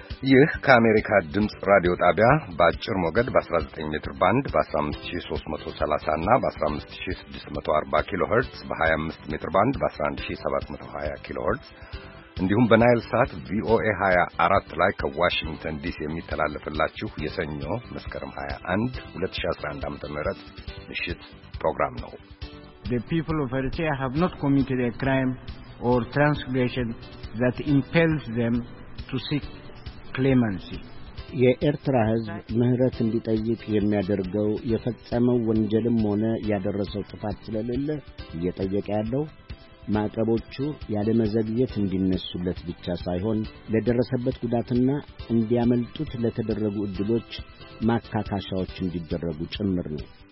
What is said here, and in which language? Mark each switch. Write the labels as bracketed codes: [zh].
[am] ይህ ከአሜሪካ ድምፅ ራዲዮ ጣቢያ በአጭር ሞገድ በ19 ሜትር ባንድ በ15330 እና በ15640 ኪሎ ሄርትስ በ25 ሜትር ባንድ በ11720 ኪሎ ሄርትስ እንዲሁም በናይል ሳት ቪኦኤ 24 ላይ ከዋሽንግተን ዲሲ የሚተላለፍላችሁ የሰኞ መስከረም 21 2011 ዓ.ም ምሽት ፕሮግራም ነው። [en] The people of Eritrea have not committed a crime or transgression that impels them to seek clemency. [am] የኤርትራ ህዝብ ምህረት እንዲጠይቅ የሚያደርገው የፈጸመው ወንጀልም ሆነ ያደረሰው ጥፋት ስለሌለ እየጠየቀ ያለው ማዕቀቦቹ ያለመዘግየት እንዲነሱለት ብቻ ሳይሆን ለደረሰበት ጉዳትና እንዲያመልጡት ለተደረጉ እድሎች ማካካሻዎች እንዲደረጉ ጭምር ነው።